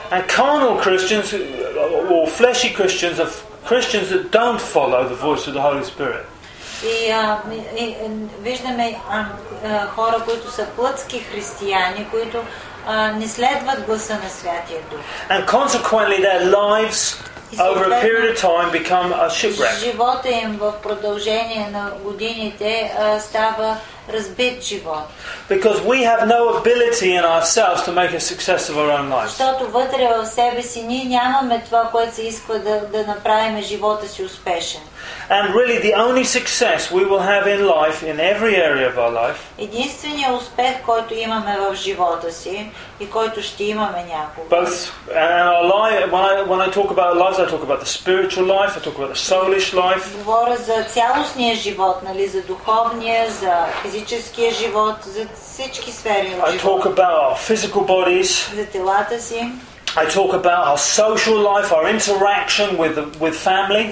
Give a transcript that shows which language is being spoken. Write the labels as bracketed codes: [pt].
[en] And carnal Christians or fleshy Christians are Christians that don't follow the voice of the Holy Spirit. [bg] И виждаме хора, които са плътски християни, които не следват гласа на Святия Дух. [en] And consequently their lives over a period of time become a shipwreck. [bg] Живота им в продължение на годините става разбит живот. [en] Because we have no ability in ourselves to make a success of our own lives. [bg] Защото вътре в себе си ние нямаме това, което се иска да направим живота си успешен. [en] And really the only success we will have in life, in every area of our life, [bg] единственият успех, който имаме в живота си и който ще имаме някога, [en] both and our life, when I talk about our lives, I talk about the spiritual life, I talk about the soulish life. [bg] Говоря за цялостния живот, нали, за духовния, за физическия живот, за всички сфери на живота. [en] I talk about our physical bodies, [bg] за телата си. [en] I talk about our social life, our interaction with family.